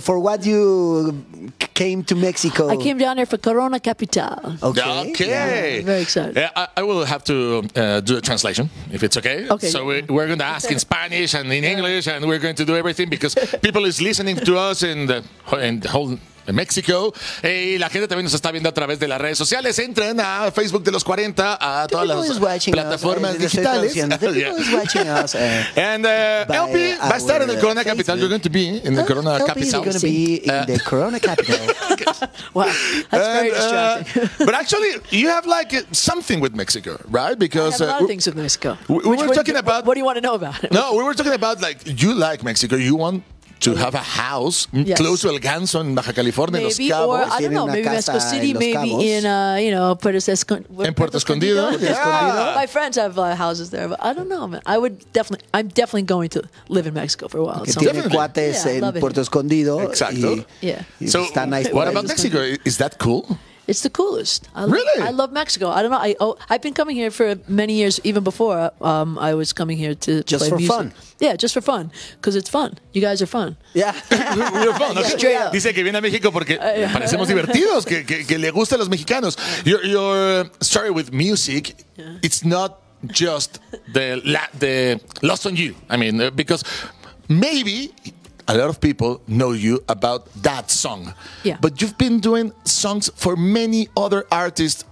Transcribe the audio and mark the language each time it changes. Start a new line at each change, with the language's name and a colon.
English: For what you came to Mexico? I came down here for Corona Capital. Okay. Yeah, very excited. Yeah, I will have to do a translation, if it's okay. Okay. So we're going to ask in Spanish and in English, and we're going to do everything because people is listening to us in the whole.
Spanish: En México. Y la gente también nos está viendo a través de las redes sociales. Entren a Facebook de los 40, a todas las plataformas digitales. LP va a estar en el Corona Capital.
English: You're going to be in the Corona Capital. LP is going to be in the Corona Capital. Wow, that's very distracting. But actually, you have like something with Mexico, right? Because I have a lot of things with Mexico. What do you want to know about it? No, we were talking about like, you like Mexico, you want to have a house close to El Ganso in Baja California, maybe, Los Cabos. Or, I don't know, maybe Mexico City, maybe in, you know, Puerto Escondido. My friends have houses there, but I don't know, man. I'm definitely going to live in Mexico for a while.
Spanish: Okay. Tiene cuates en Puerto Escondido.
English: Exactly. So,
Spanish: está
English: nice. What about Mexico? Is that cool? It's the coolest. I love Mexico. I don't know. I've been coming here for many years, even before I was coming here to just play for music. Fun. Yeah, just for fun, because it's fun. You guys are fun. Yeah, we're fun. Okay. Straight up.
Spanish: Dice que viene a México porque parecemos divertidos, que le gusta a los mexicanos.
English: Yeah. Your story with music, it's not just the lost on you. I mean, because maybe a lot of people know you about that song. Yeah. But you've been doing songs for many other artists.